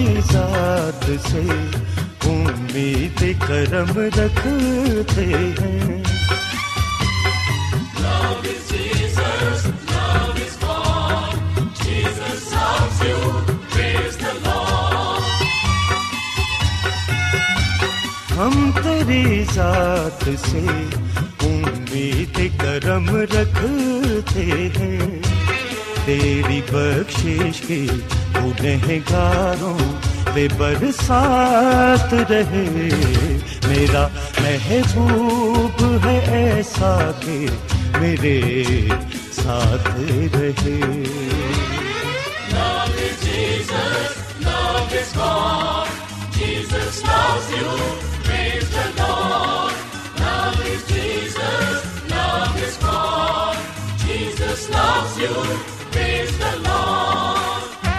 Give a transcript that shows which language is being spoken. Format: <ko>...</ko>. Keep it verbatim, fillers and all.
<ur>سے امید کرم رکھتے ہیں،</ur> <en>Love is Jesus, love is born. Jesus loves you, praise the Lord.</en> <ur>ہم تیری ذات سے امید کرم رکھتے ہیں، تیری بخشش کی گنہگاروں پہ برسات رہے، میرا محبوب ہے ایسا کہ میرے ساتھ رہے.</ur> <en>Love is Jesus, love is God, Jesus loves you, praise the Lord. Love is Jesus, love is God, Jesus loves you, praise the Lord.</en>